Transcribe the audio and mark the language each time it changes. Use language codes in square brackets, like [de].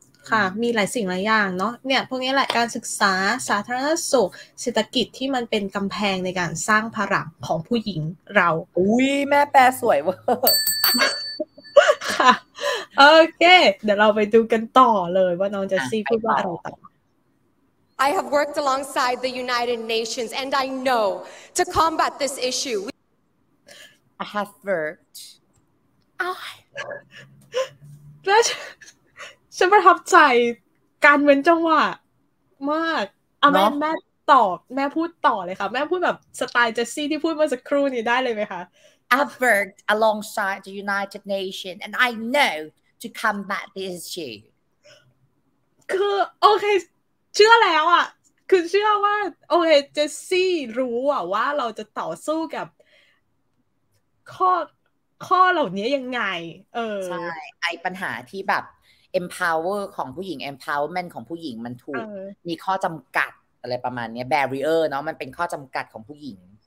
[th] ค่ะมีหลายสิ่งหลายอย่างเนาะเนี่ยพวกนี้แหละการศึกษาสาธารณสุขเศรษฐกิจที่มันเป็นกำแพงในการสร้างพลังของผู้หญิงเรา อุ้ยแม่แปลสวยเวอร์ โอเคเดี๋ยวเราไปดูกันต่อเลยว่าน้องจะซีพูดว่าอะไรต่อ [en] I have worked alongside the United Nations and I know to combat this issue I have worked [th] แล้วฉันประทับใจการเว้นจังหวะมากแม่ตอบแม่พูดต่อเลยค่ะแม่พูดแบบสไตล์เจสซี่ที่พูดเมื่อสักครู่นี้ได้เลยไหมคะ [en] I've worked alongside the United Nations and I know to combat this issue. [th] คือโอเคเชื่อแล้วอ่ะคือเชื่อว่าโอเคเจสซี่รู้อ่ะว่าเราจะต่อสู้กับข้อเหล่านี้ยังไง ใช่ไอ้ปัญหาที่แบบ empower ของผู้หญิง empowerment ของผู้หญิงมันถูกมีข้อจำกัดอะไรประมาณนี้ barrier เนาะมันเป็นข้อจำกัดของผู้หญิง